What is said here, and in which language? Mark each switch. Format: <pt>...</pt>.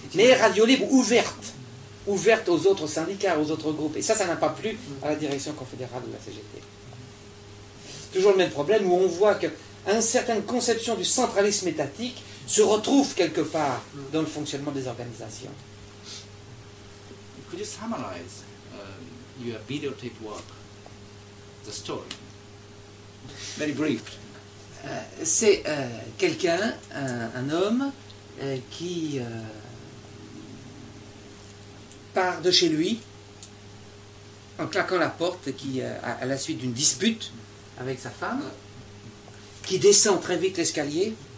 <fr>Mais radio libre ouverte aux autres syndicats, aux autres groupes. Et ça n'a pas plu à la direction confédérale de la CGT. Toujours le même problème où on voit qu'une certaine conception du centralisme étatique se retrouve quelque part dans le fonctionnement des organisations.</fr> <en>Could you summarize your videotape work, the story? Very brief.</en> <fr>C'est quelqu'un, un homme, qui part de chez lui en claquant la porte qui, à la suite d'une dispute avec sa femme, qui descend très vite l'escalier.</fr>